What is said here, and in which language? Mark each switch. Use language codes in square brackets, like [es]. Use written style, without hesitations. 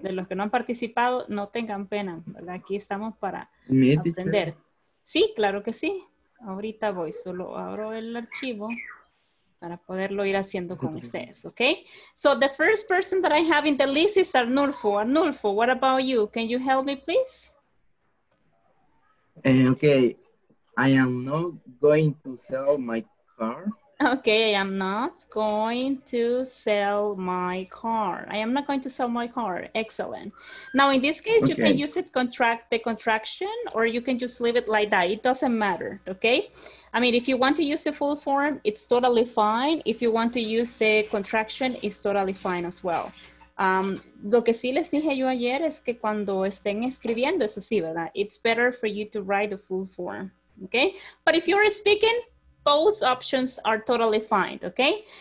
[es] De los que no han participado, no tengan pena, ¿verdad? Aquí estamos para aprender. Sí, claro que sí. Ahorita voy, solo abro el archivo para poderlo ir haciendo con ustedes, okay? [en] So the first person that I have in the list is Arnulfo. Arnulfo, what about you? Can you help me, please? Okay, I am not going to sell my car. Okay, I am not going to sell my car. I am not going to sell my car. Excellent. Now, in this case, okay, you can use it the contraction, or you can just leave it like that. It doesn't matter, okay? I mean, if you want to use the full form, it's totally fine. If you want to use the contraction, it's totally fine as well. [es] Lo que sí les dije yo ayer es que cuando estén escribiendo, eso sí, ¿verdad? [en] It's better for you to write the full form, okay? But if you're speaking, both options are totally fine, okay?